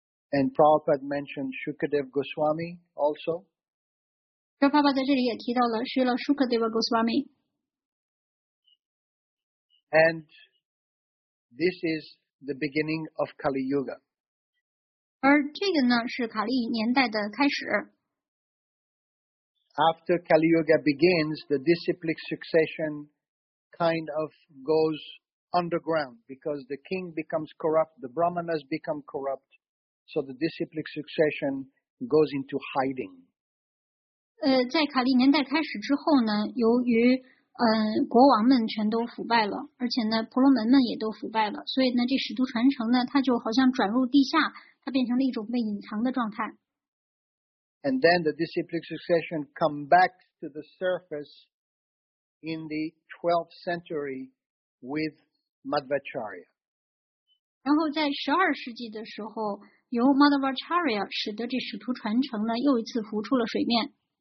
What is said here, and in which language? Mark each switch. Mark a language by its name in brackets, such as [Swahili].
[English] And Prabhupada mentioned Shukadev Goswami also. [Chinese] 这爸爸在这里也提到了是了 Shukadeva Goswami. [English] And this is the beginning of Kali Yuga. [Chinese] 而这个呢是卡利年代的开始。 [English] After Kali Yuga begins, the disciplic succession kind of goes underground because the king becomes corrupt, the brahmanas become corrupt, so the disciplic succession goes into hiding. [Chinese] 在卡利年代开始之后呢，由于国王们全都腐败了，而且呢婆罗门们也都腐败了，所以呢这使徒传承呢，它就好像转入地下，它变成了一种被隐藏的状态。 [English] And then the disciplic succession come back to the surface in the 12th century with Madhvacharya. [Chinese] 然后在十二世纪的时候，由 Madhvacharya 使得这使徒传承呢又一次浮出了水面。